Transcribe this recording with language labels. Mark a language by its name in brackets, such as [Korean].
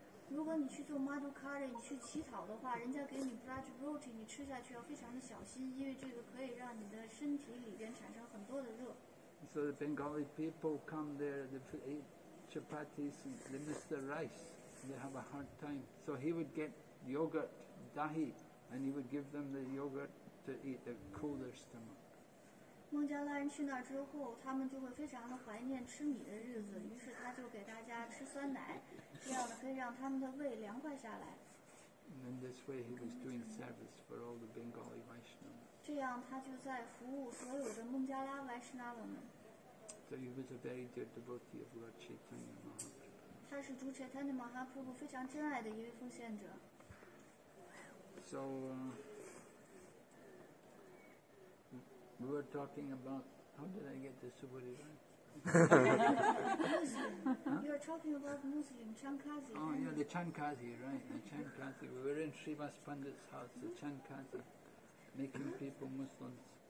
[Chinese] 如果你去做 madhukari 你去乞讨的话，人家给你 braj roti 你吃下去要非常的小心，因为这个可以让你的身体里边产生很多的热。 [English] So the Bengali people come there, they eat chapatis, they miss the rice, they have a hard time. So he would get yogurt, dahi, and he would give them the yogurt to eat to cool their stomach. [Chinese] 孟加拉人去那儿之后，他们就会非常的怀念吃米的日子，于是他就给大家吃酸奶，这样的可以让他们的胃凉快下来。 [English] And in this way he was doing service for all the Bengali Vaishnavas. [Chinese] 这样他就在服务所有的孟加拉Vaishnava们。 [English] So he was a very dear devotee of Lord Chaitanya Mahaprabhu. [Chinese] 他是朱柴坦尼马哈普布非常真爱的一位奉献者。 [English] So, we were talking about, how did I get this to what it is? You're talking about Muslim, Chankazi. Oh, yeah, the Chankazi, right, the Chankazi. We were in Srivas Pandit's house, the Chankazi, making people Muslims.